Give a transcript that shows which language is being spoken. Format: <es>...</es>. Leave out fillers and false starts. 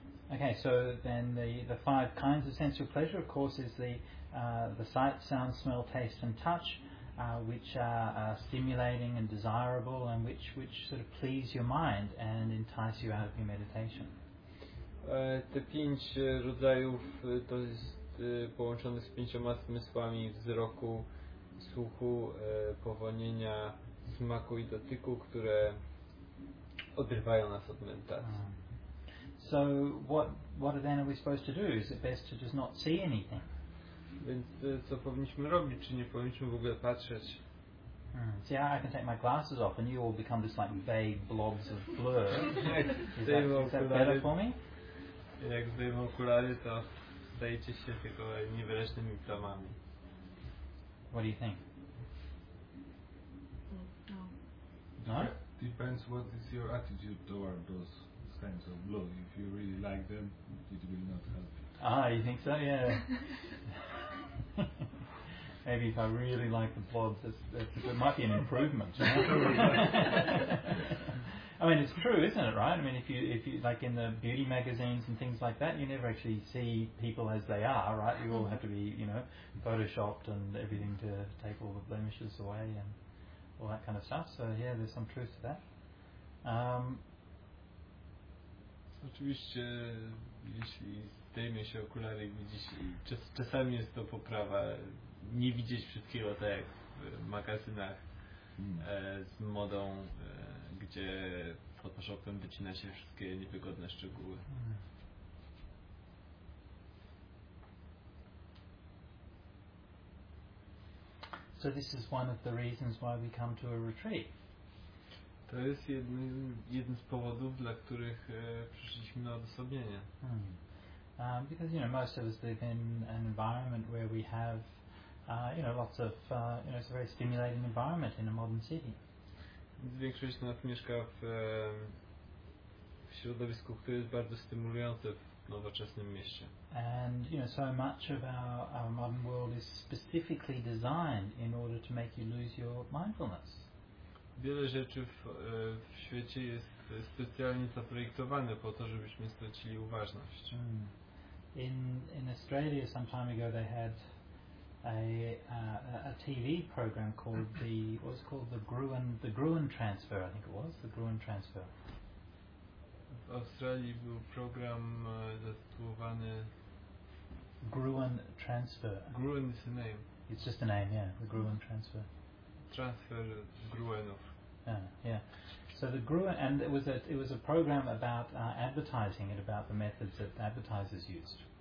<en>The five kinds of sensual pleasure, of course, is the sight, sound, smell, taste, and touch, which are stimulating and desirable, and which sort of please your mind and entice you out of your meditation.</en> <pl>Te pięć rodzajów to jest połączone z pięcioma zmysłami wzroku, słuchu, powonienia, smaku i dotyku, które odrywają nas od medytacji.</pl> <en>So what then are we supposed to do? Is it best to just not see anything?</en> <pl>Więc co powinniśmy robić? Czy nie powinniśmy w ogóle patrzeć?</pl> <en>See, I can take my glasses off and you all become this like vague blobs of blur. is that better for me?</en> <pl>Jak zdejmę okulary, to stajecie się tylko niewyraźnymi plamami.</pl> <en>What do you think? No. depends what is your attitude toward those kinds of blog. If you really like them, it will not help you. Ah, you think so? Yeah. Maybe if I really like the blogs, it might be an improvement. You know? I mean, it's true, isn't it, right? I mean, if you like in the beauty magazines and things like that, you never actually see people as they are, right? You all have to be, you know, photoshopped and everything to take all the blemishes away and all that kind of stuff. So, yeah, there's some truth to that.</en> <pl>Oczywiście, jeśli zdejmie się okulary, widzisz, czasami jest to poprawa, nie widzieć wszystkiego tak jak w magazynach z modą, gdzie pod photoshopem wycina się wszystkie niewygodne szczegóły.</pl> <en>So this is one of the reasons why we come to a retreat.</en> <pl>To jest jeden z powodów, dla których przyszliśmy na odosobnienie.</pl> <en>Because you know, most of us live in an environment where we have you know, lots of you know, it's a very stimulating environment in a modern city.</en> <pl>Większość z nas mieszka w środowisku, które jest bardzo stymulujące w nowoczesnym mieście.</pl> <en>And you know, so much of our modern world is specifically designed in order to make you lose your mindfulness.</en> <pl>Wiele rzeczy w świecie jest specjalnie zaprojektowane po to, żebyśmy stracili uważność.</pl> <en>In Australia some time ago they had a TV program called the what's called the Gruen Transfer, I think it was, the Gruen Transfer.</en> <pl>W Australii był program zatytułowany Gruen Transfer.</pl> <en>Gruen is the name. It's just a name, yeah, the Gruen Transfer.</en> <pl>Transfer Gruenów.</pl> <en>Yeah. So the Gruen, and it was a program about advertising and about the methods that advertisers used.</en>